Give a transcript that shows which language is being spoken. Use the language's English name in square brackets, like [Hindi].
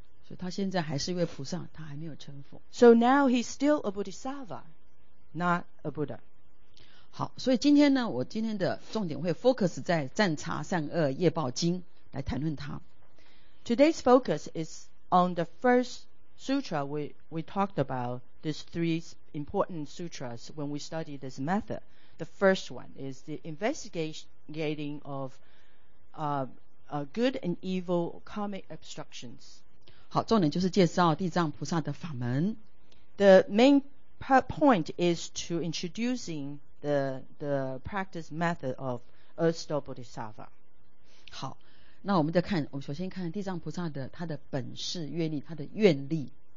[Chinese] 所以他现在还是一位菩萨，他还没有成佛。 [English] So now he's still a bodhisattva, not a Buddha. [Chinese] 好，所以今天呢，我今天的重点会 focus 在《赞察善恶业报经》来谈论他。 [English] Today's focus is on the first sutra we talked about. These three important sutras when we study this method. The first one is the investigating of good and evil karmic obstructions. [Chinese] 好，重点就是介绍地藏菩萨的法门。 [English] The main point is to introducing the practice method of Erstal Bodhisattva. [Chinese] 好，那我们再看，我们首先看地藏菩萨的他的本事愿力，他的愿力。